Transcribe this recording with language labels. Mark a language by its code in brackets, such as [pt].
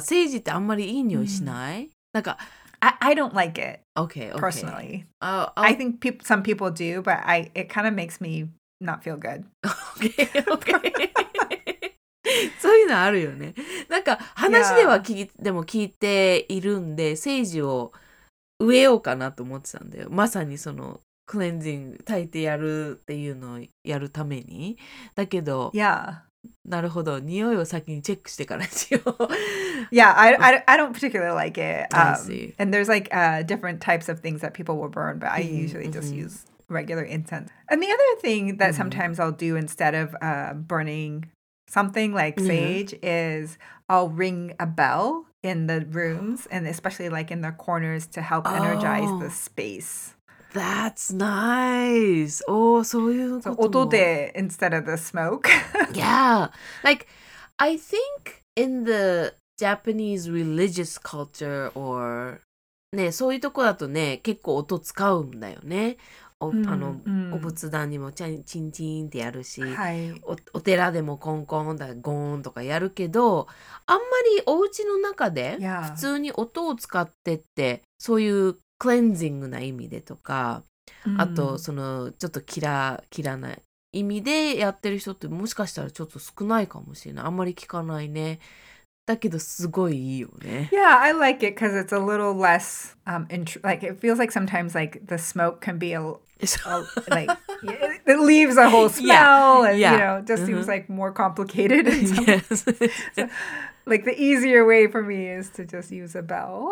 [ja] セージってあんまりいい匂いしない？なんか、 [en] I don't like it. Okay. Personally. I think some people do, but it kind of makes me not feel good. [ja] Okay. そういうのあるよね。なんか話では聞い、でも聞いているんで、セージを植えようかなと思ってたんだよ。まさにそのクレンジング炊いてやるっていうのをやるために。だけど、なるほど、匂いを先にチェックしてからしよう。 [en] Yeah, I don't particularly like it. I see. And there's like different types of things that people will burn, but I usually just use regular incense. And the other thing that sometimes I'll do instead of burningSomething like sage is I'll ring a bell in the rooms and especially like in the corners to help energize the space. That's nice. Oh, so you got to do instead of the smoke. Yeah. Like, I think in the Japanese religious culture or, [ja] ね、そういうとこだとね、結構音使うんだよね。お仏壇にもチンチンってやるし、はい、お寺でもコンコンだゴーンとかやるけど、あんまりお家の中で普通に音を使ってってそういうクレンジングな意味でとか、あとそのちょっとキラキラな意味でやってる人ってもしかしたらちょっと少ないかもしれない。あんまり聞かないね。だけどすごいいいよね。 [en] Yeah, I like it because it's a little less like it feels like sometimes like the smoke can be like it leaves a whole smell and you know, just seems like more complicated. Yes. Like the easier way for me is to just use a bell.